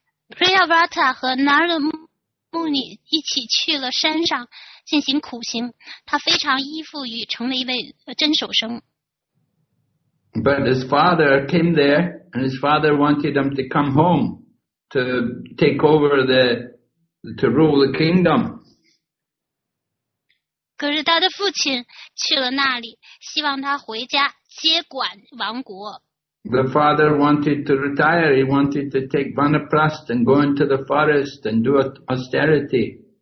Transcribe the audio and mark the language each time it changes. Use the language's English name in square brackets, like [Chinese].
[Chinese] Priyavrata 和 Narada Muni 牧尼一起去了山上进行苦行，他非常依附于成为一位真守生。 [English] But his father came there, and his father wanted him to come home to take over to rule the kingdom. [Chinese] 可是他的父亲去了那里，希望他回家接管王国。 [English] The father wanted to retire. He wanted to take vanaprast and go into the forest and do austerity.